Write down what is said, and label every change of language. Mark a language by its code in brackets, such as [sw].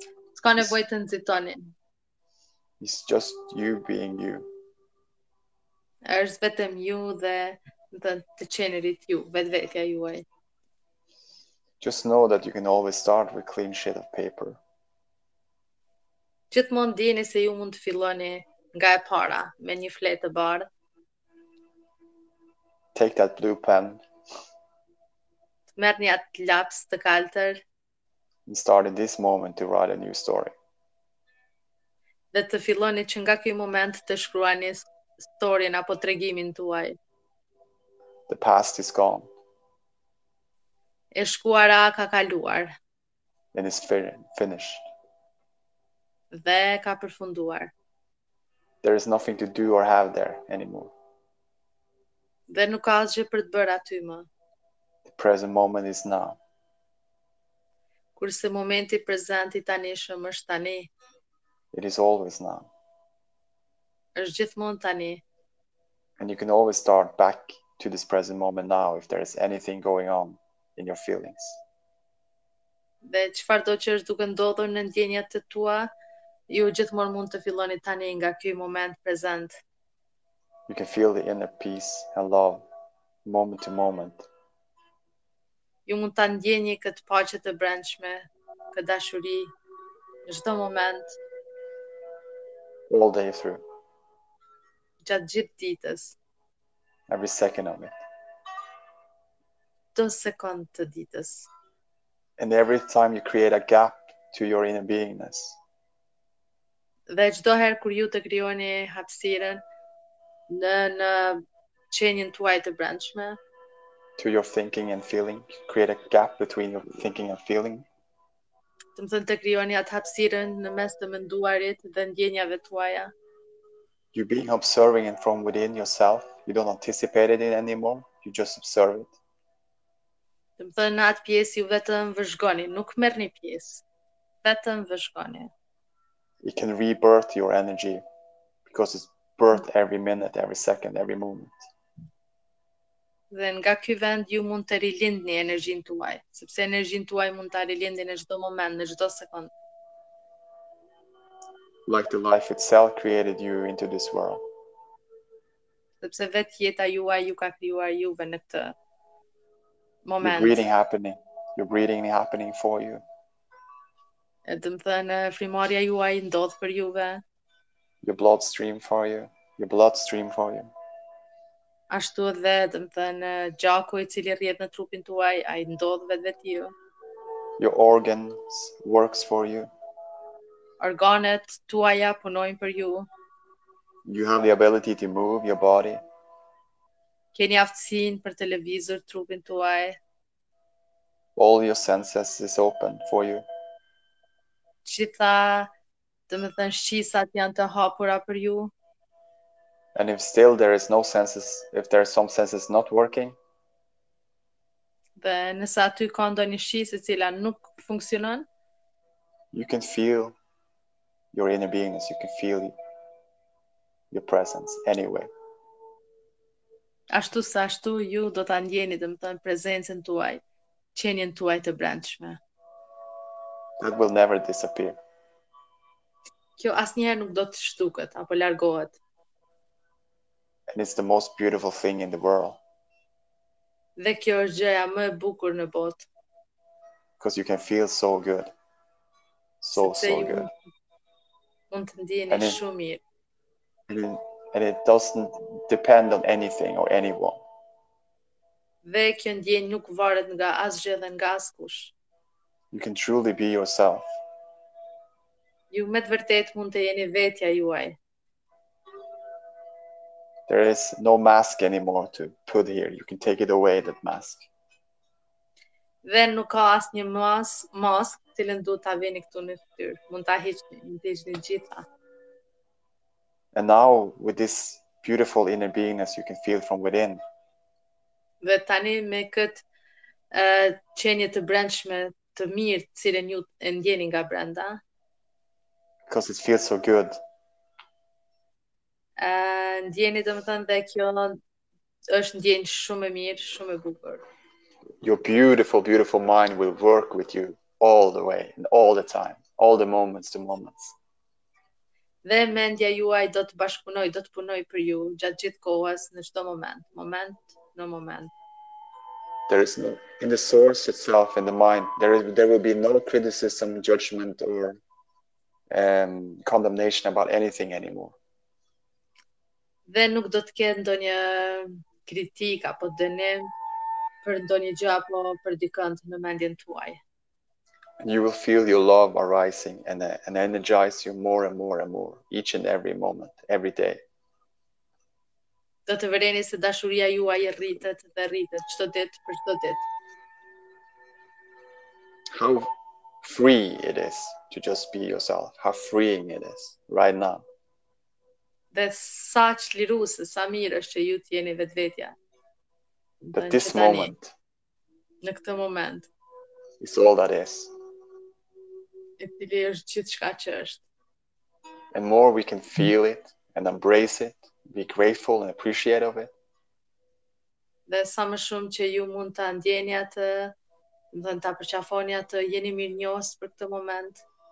[en] It's kind of waiting to turn in. It's just you being you. There's better you the channel it you, but where you are. Just know that you can always start with clean sheet of paper. [sq] Just mon dini se ju mund të filloni nga e para me një fletë të bardhë. [en] Take that blue pen. [sq] Merrni atë laps të kaltër. [en] And start in this moment to write a new story. [sq] Dhe të filloni që nga ky moment të shkruani historin apo tregimin tuaj. [en] The past is gone. [sq] E shkuara ka kaluar. [en] And it's finished. [sq] Dhe ka përfunduar. [en] There is nothing to do or have there anymore. [sq] Dhe nuk ka asgjë për të bërë aty më. [en] The present moment is now. [sq] Kurse momenti prezent i tanishëm është tani. [en] It is always now. [sq] Është gjithmonë tani. [en] And you can always start back to this present moment now if there is anything going on in your feelings. [sq] Dhe çfarëdo që është duke ndodhur në ndjenjat të tua, ju gjithmonë mund të filloni tani nga ky moment prezent. [en] You can feel the inner peace and love moment to moment. [sq] Ju mund ta ndjeni këtë paqe të brendshme, këtë dashuri në çdo moment. [en] All day through. [sq] Gjatë gjithë ditës. [en] Every second of it. [sq] Do sekund të ditës. [en] And every time you create a gap to your inner beingness. [sq] Dhe çdo herë kur ju të krijoni hapësirën në qenjen tuaj të brendshme. [en] To your thinking and feeling, create a gap between your thinking and feeling. [sq] Do të thonë të krijoni atë hapësirën në mes të menduarit dhe ndjenjave tuaja. [en] You being observing it from within yourself, you don't anticipate it anymore, you just observe it. [sq] Dhe më thë në atë pjesë, ju vetëm vëzhgoni, nuk merë një pjesë, vetëm vëzhgoni. [en] It can rebirth your energy, because it's birth every minute, every second, every moment. [sq] Dhe nga ky vend, ju mund të rilindni energjin tuaj, sepse energjin tuaj mund të rilindni në çdo moment, në çdo sekundë. [en] Like the life itself created you into this world. [sq] Sepse vet jeta juaj ju ka krijuar juve në këtë moment. [en] You're breathing happening. You're breathing happening for you. [sq] Edhe më thënë, frimarja juaj ndodh për juve. [en] Your blood stream for you. Your blood stream for you. [sq] Ashtu edhe, dhe më thënë, gjaku i cili rrjedh në trupin tuaj, ai ndodh vet ju. [en] Your organs works for you. [sq] Organet tuaja punojnë për ju. [en] You have the ability to move your body. [sq] Keni aftësinë për të lëvizur trupin tuaj. [en] All your senses is open for you. [sq] Gjitha, domethënë shqisat janë të hapura për ju. [en] And if still there is no senses, if there are some senses not working. [sq] Dhe nëse aty ka ndonjë shqisë e cila nuk funksionon. [en] You can feel your inner beingness, you can feel your presence anyway. [sq] Ashtu sa ashtu, ju do ta ndjeni, domethënë, prezencën tuaj, qenjen tuaj të brendshme. [en] That will never disappear. [sq] Kjo asnjëherë nuk do të shtuket apo largohet. [en] and it's the most beautiful thing in the world. [sq] Dhe kjo është gjëja më e bukur në botë. [en] Because you can feel so good. So, so good. [sq] Mund të ndiheni shumë mirë. [en] And it doesn't depend on anything or anyone. [sq] Dhe kjo ndjenjë nuk varet nga asgjë dhe nga askush. [en] You can truly be yourself. [sq] Ju me të vërtet mund të jeni vetja juaj. [en] There is no mask anymore to put here. You can take it away, that mask. [sq] Dhe nuk ka asnjë mask të cilën duhet ta vini këtu në fytyrë. Mund ta hiqni gjitha. [en] And now with this beautiful inner beingness you can feel from within. [sq] Dhe tani me këtë qenje të brendshme të mirë të cilën ju e ndjeni nga brenda. [en] Because it feels so good. [sq] Ndjeni domethënë dhe kjo është ndjenjë shumë e mirë, shumë e bukur. [en] Your beautiful, beautiful mind will work with you all the way, and all the time, all the moments to moments. [sq] Dhe mendja juaj do të bashkunoj, do të punoj për ju gjatë gjithë kohës, në çdo moment, moment në moment. [en] There is no, in the source itself, in the mind, there will be no criticism, judgment, or condemnation about anything anymore. [sq] Dhe nuk do të ketë ndonjë kritik apo dënim për ndonjë gjë apo për dikënd në mendjen tuaj. [en] And you will feel your love arising and energize you more and more and more each and every moment, every day. [sq] Do të vëreni se dashuria juaj rritet dhe rritet çdo ditë për çdo ditë. [en] How free it is to just be yourself. How freeing it is right now. [sq] Dhe sa qliruese, sa mirë është që ju të jeni vetvetja. [en] But this moment, [sq] në këtë moment, [en] it's all that is. [sq] E cili është gjithçka që është. [en] And more we can feel it and embrace it, be grateful and appreciate of it. [sq] Dhe sa më shumë që ju mund ta ndjeni atë, dhe ta përqafoni atë, jeni mirënjohës për këtë moment.